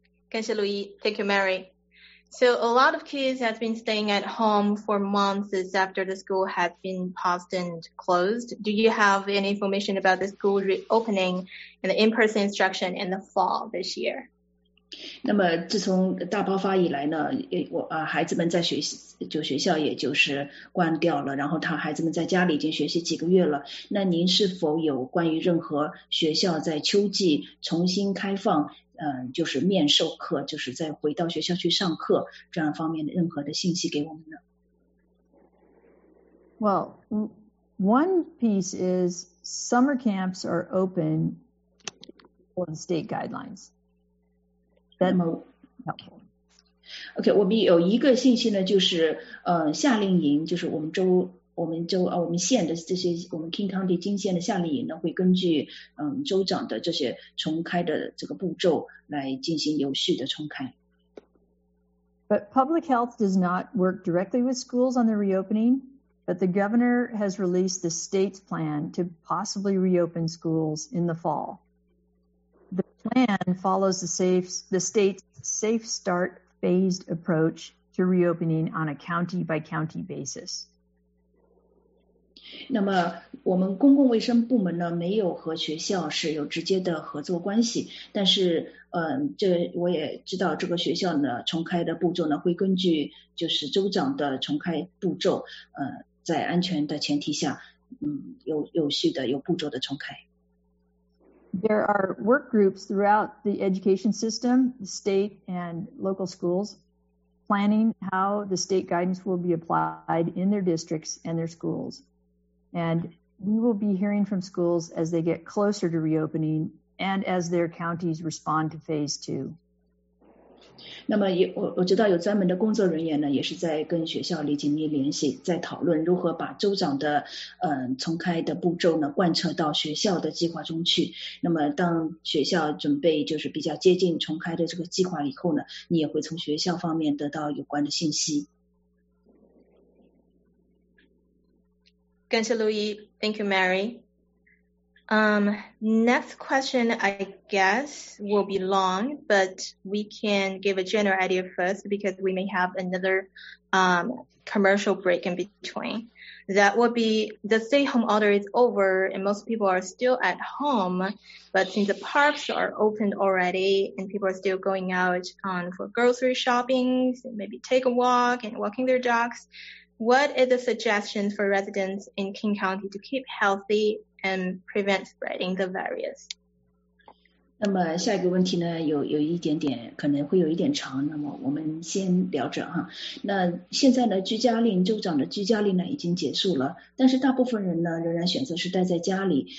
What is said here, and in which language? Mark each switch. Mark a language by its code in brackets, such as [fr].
[zh] 感谢 [en] Louis. Thank you, Mary. So a lot of kids have been staying at home for months after the school has been paused and closed. Do you have any information about the school reopening and the in-person instruction in the fall this year? [zh] 那么自从大爆发以来呢，孩子们在学校也就是关掉了，然后他孩子们在家里已经学习几个月了。那您是否有关于任何学校在秋季重新开放，就是面授课，就是再回到学校去上课这样方面的任何的信息给我们呢 [en] ？Well, one piece is summer camps are open for the state guidelines. [zh] OK, 我们有一个信息呢，就是夏令营，就是我们县的这些，我们 King County 金县的夏令营呢，会根据州长的这些重开的这个步骤来进行有序的重开。 [en] But public health does not work directly with schools on the reopening, but the governor has released the state's plan to possibly reopen schools in the fall. Plan follows the state's safe start phased approach to reopening on a county by county basis. [zh] 那么我们公共卫生部门呢，没有和学校是有直接的合作关系，但是这我也知道这个学校呢重开的步骤呢会根据就是州长的重开步骤，在安全的前提下，有序的有步骤的重开。 [en] There are work groups throughout the education system, the state and local schools, planning how the state guidance will be applied in their districts and their schools. And we will be hearing from schools as they get closer to reopening and as their counties respond to phase two. [zh] 那么我知道有专门的工作人员呢，也是在跟学校里紧密联系，在讨论如何把州长的重开的步骤呢贯彻到学校的计划中去。那么当学校准备就是比较接近重开的这个计划以后呢，你也会从学校方面得到有关的信息。感谢 [en] Louis. Thank you, Mary. Next question, I guess, will be long, but we can give a general idea first because we may have another commercial break in between. That would be the stay-home order is over and most people are still at home, but since the parks are opened already and people are still going out for grocery shopping, maybe take a walk and walking their dogs, what is the suggestion for residents in King County to keep healthy?And prevent spreading the virus. [zh] 那么下一个问题呢，有一点点可能会有一点长，那么我们先聊着哈。那现在呢，居家令，州长的居家令呢已经结束了，但是大部分人呢仍然选择是待在家里。